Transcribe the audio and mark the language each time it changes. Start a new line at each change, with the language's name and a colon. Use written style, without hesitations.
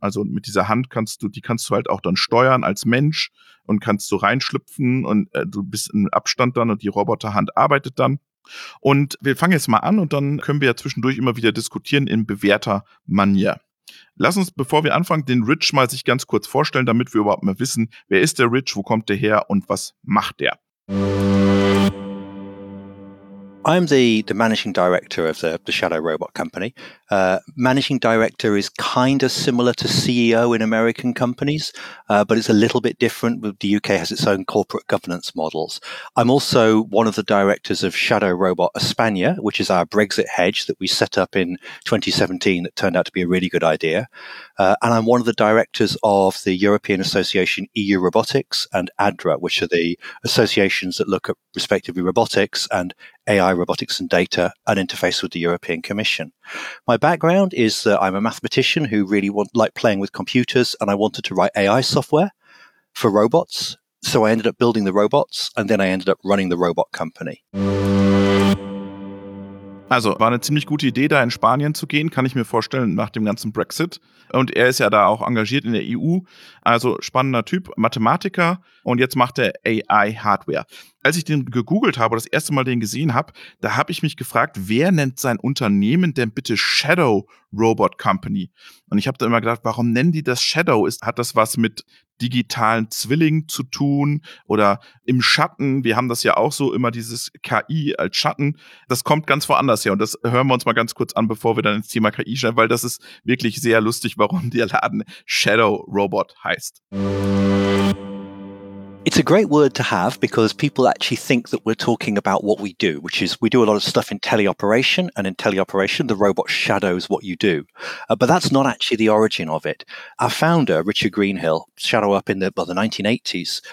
German: Also mit dieser Hand kannst du halt auch dann steuern als Mensch und kannst so reinschlüpfen und du bist im Abstand dann und die Roboterhand arbeitet dann. Und wir fangen jetzt mal an und dann können wir ja zwischendurch immer wieder diskutieren in bewährter Manier. Lass uns, bevor wir anfangen, den Rich mal sich ganz kurz vorstellen, damit wir überhaupt mal wissen, wer ist der Rich, wo kommt der her und was macht der?
English: I'm the managing director of the Shadow Robot Company. Managing director is kind of similar to CEO in American companies, but it's a little bit different. The UK has its own corporate governance models. I'm also one of the directors of Shadow Robot España, which is our Brexit hedge that we set up in 2017 that turned out to be a really good idea. And I'm one of the directors of the European Association EU Robotics and ADRA, which are the associations that look at respectively robotics and AI, robotics and data, and interface with the European Commission. My background is that I'm a mathematician who really liked playing with computers, and I wanted to write AI software for robots. So I ended up building the robots, and then I ended up running the robot company.
German: Also, war eine ziemlich gute Idee, da in Spanien zu gehen, kann ich mir vorstellen, nach dem ganzen Brexit. Und er ist ja da auch engagiert in der EU. Also spannender Typ, Mathematiker und jetzt macht er AI-Hardware. Als ich den gegoogelt habe, das erste Mal den gesehen habe, da habe ich mich gefragt, wer nennt sein Unternehmen denn bitte Shadow Robot Company? Und ich habe da immer gedacht, warum nennen die das Shadow? Hat das was mit digitalen Zwillingen zu tun oder im Schatten? Wir haben das ja auch so immer, dieses KI als Schatten. Das kommt ganz woanders her und das hören wir uns mal ganz kurz an, bevor wir dann ins Thema KI schauen, weil das ist wirklich sehr lustig, warum der Laden Shadow Robot heißt.
English: It's a great word to have because people actually think that we're talking about what we do, which is we do a lot of stuff in teleoperation, and in teleoperation, the robot shadows what you do. But that's not actually the origin of it. Our founder, Richard Greenhill, shadow up in the 1980s.